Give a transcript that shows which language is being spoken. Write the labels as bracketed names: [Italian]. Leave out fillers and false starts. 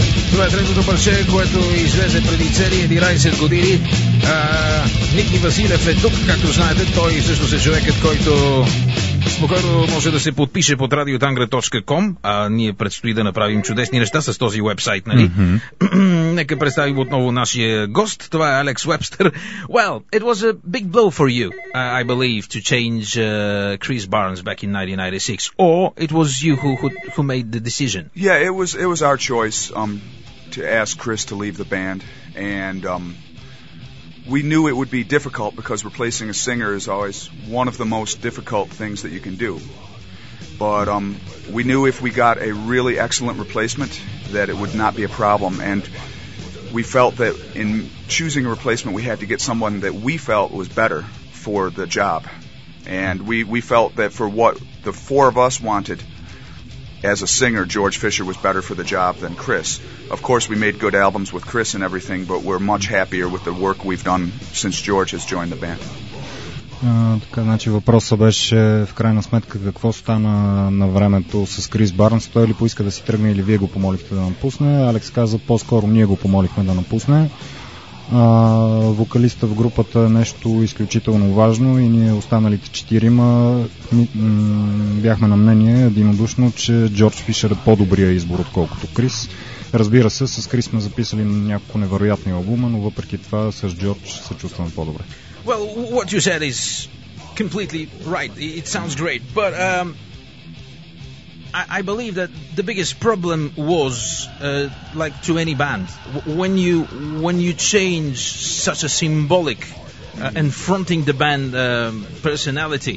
[Bulgarian] Това е третото парче, което излезе преди цели 11 години. Ники Василев е тук, както знаете. Той също е човекът, който спокойно може да се подпише под radiotangra.com. Ние предстои да направим чудесни неща с този уебсайт, нали? Нека представим отново нашия гост. Това е Алекс Уебстър. [English] Well, it was a big blow for you, I believe, to change Chris Barnes back in 1996. Or it was you who made the decision. Yeah, it was our choice to ask Chris to leave the band. And we knew it would be difficult because replacing a singer is always one of the most difficult things that you can do. But we knew if we got a really excellent replacement that it would not be a problem. And we felt that in choosing a replacement, we had to get someone that we felt was better for the job. And we felt that for what the four of us wanted as a singer, George Fisher was better for the job than Chris. Of course, we made good albums with Chris and everything, but we're much happier with the work we've done since George has joined the band. [Bulgarian] Така, значи въпросът беше в крайна сметка какво стана на времето с Крис Барнс. Той ли поиска да си тръгне или вие го помолихте да напусне? Алекс каза, по-скоро ние го помолихме да напусне. Вокалиста в групата е нещо изключително важно и ние останалите четирима бяхме на мнение единодушно, че Джордж Фишер е по-добрия избор, отколкото Крис. Разбира се, с Крис сме записали няколко невероятни албума, но въпреки това с Джордж се чувстваме по-добре. [English] Well, what you said is completely right. It sounds great, but I believe that the biggest problem was like to any band when you change such a symbolic and fronting the band personality.